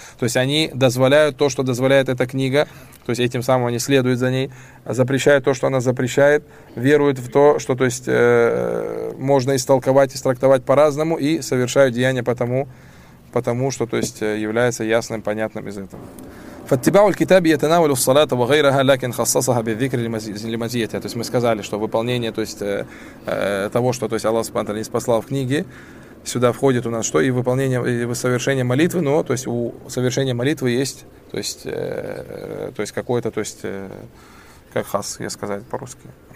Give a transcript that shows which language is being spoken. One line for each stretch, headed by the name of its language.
Russian: То есть они дозволяют то, что дозволяет эта книга, то есть этим самым они следуют за ней, запрещают то, что она запрещает, веруют в то, что то есть, можно истолковать, истрактовать по-разному и совершают деяния потому что то есть, является ясным, понятным из этого.
Arabic: فاتباعوا الكتاب يتناول الصلاة وغيرها لكن خصصها بالذكر لمزيته.
Russian: То есть мы сказали, что выполнение, то есть того, что то есть Аллах Субхану Тааля не спослал в книге, сюда входит у нас что и выполнение и совершение молитвы, но то есть у совершения молитвы есть То есть какое-то, то есть, как хас, я сказать по-русски?